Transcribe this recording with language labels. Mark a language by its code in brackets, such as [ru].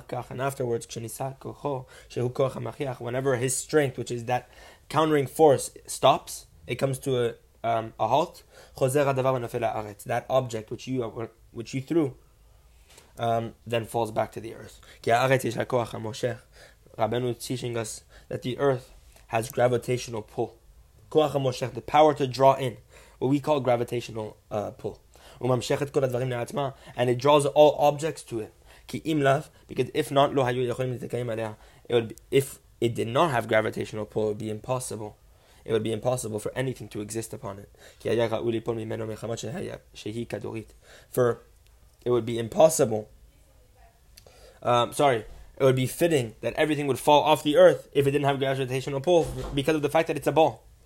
[en] And afterwards, whenever his strength, which is that countering force, stops, it comes to a halt, that object which you threw, then falls back to the earth. Rabbeinu is teaching us that the earth has gravitational pull. The power to draw in, what we call gravitational pull. [he] וממשכת כל הדברים לעצמה, [en] and it draws all objects to it. [he] כי אם לאו, [en] because if not, [he] לא היו יכולים להתקיים עליה. [en] It would be, if it did not have gravitational pull, it would be impossible. It would be impossible for anything to exist upon it. [he] כי היה ראוי ליפול ממנו מחמת שהיא כדורית. [en] For it would be impossible. It would be fitting that everything would fall off the earth if it didn't have gravitational pull because of the fact that it's a ball.